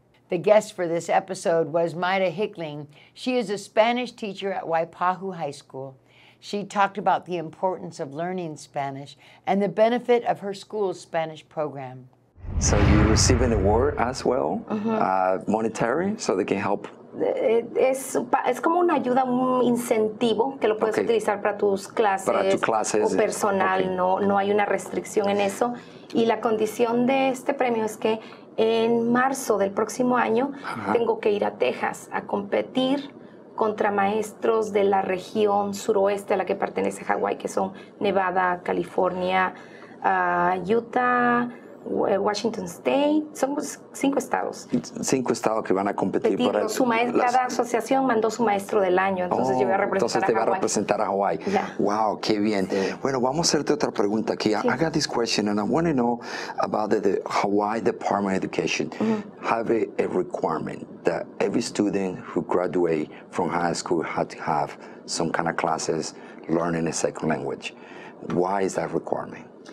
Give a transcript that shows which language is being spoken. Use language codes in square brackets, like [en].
[en] The guest for this episode was Mayra Hickling. She is a Spanish teacher at Waipahu High School. She talked about the importance of learning Spanish and the benefit of her school's Spanish program. So you receive an award as well, monetary, so they can help. [es] Es como una ayuda, un incentivo que lo puedes utilizar para tus clases, o personal, no hay una restricción en eso. Y la condición de este premio es que en marzo del próximo año tengo que ir a Texas a competir contra maestros de la región suroeste a la que pertenece Hawái, que son Nevada, California, Utah, Washington State, son cinco estados. Cinco estados que van a competir. Cada asociación mandó su maestro del año, entonces yo voy a representar a Hawaii. Entonces te va a representar a Hawaii. [en] Yeah. [es] Wow, qué bien. Bueno, vamos a hacerte otra pregunta aquí. Sí. [en] I got this question and I want to know about the Hawaii Department of Education. Mm-hmm. Have a requirement that every student who graduate from high school had to have some kind of classes learning a second language. Why is that requirement?